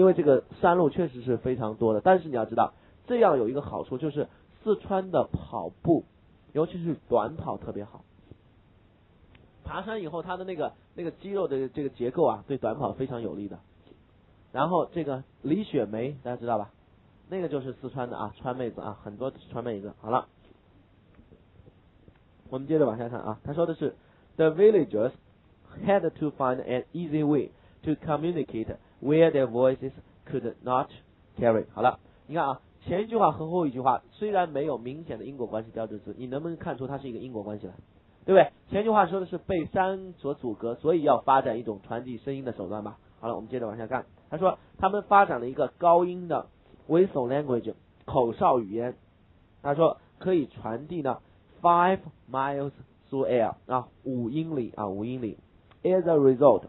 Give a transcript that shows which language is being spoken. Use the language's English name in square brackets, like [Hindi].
[Chinese] 因为这个山路确实是非常多的，但是你要知道这样有一个好处，就是四川的跑步尤其是短跑特别好，爬山以后他的那个肌肉的这个结构啊，对短跑非常有利的。然后这个李雪梅大家知道吧，那个就是四川的啊，川妹子啊，很多川妹子。好了，我们接着往下看啊。他说的是 [English] The villagers had to find an easy way to communicate where their voices could not carry。 [Chinese] 好了，你看啊，前一句话和后一句话虽然没有明显的因果关系标志词，你能不能看出它是一个因果关系来，对不对？前句话说的是被山所阻隔，所以要发展一种传递声音的手段吧。好了，我们接着往下看。他说他们发展了一个高音的 [English] whistle language [Chinese] 口哨语言，他说可以传递呢 [English] 5 miles through air [Chinese] 啊，五英里 [English] as a result。